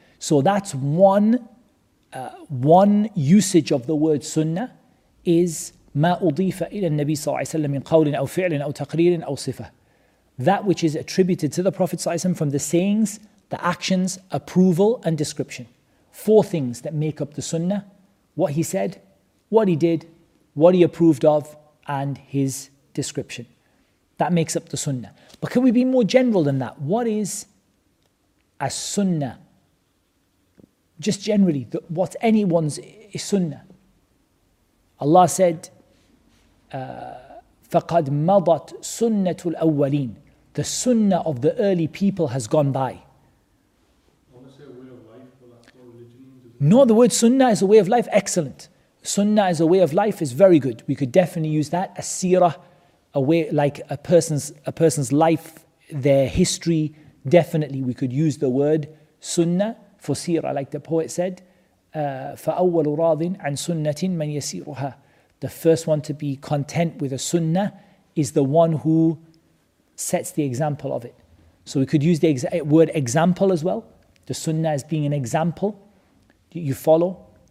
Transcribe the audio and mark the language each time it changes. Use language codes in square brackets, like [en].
[en] So that's one usage of the word sunnah is [ar] مَا أُضِيفَ إِلَى النَّبِي صَلَّى اللَّهِ عَلَيْهِ وَسَلَّمَ مِنْ قَوْلٍ أَوْ فِعْلٍ أَوْ تَقْرِيرٍ أَوْ صِفَةٍ. [en] That which is attributed to the Prophet ﷺ from the sayings, the actions, approval and description. Four things that make up the sunnah: what he said, what he did, what he approved of, and his description. That makes up the sunnah. But can we be more general than that? What is a sunnah? Just generally, what's anyone's is sunnah? Allah said, [ar] فَقَدْ مَضَتْ سُنَّةُ الْأَوَّلِينَ. [en] The sunnah of the early people has gone by. No, the word sunnah is a way of life. Excellent. Sunnah as a way of life is very good. We could definitely use that. A seerah, a way, like a person's life, their history. Definitely we could use the word sunnah for seerah. Like the poet said, [ar] فَأَوَّلُ رَاضٍ عَنْ سُنَّةٍ مَنْ يَسِيرُهَا. [en] The first one to be content with a sunnah is the one who sets the example of it. So we could use the word example as well. The sunnah as being an example that you follow.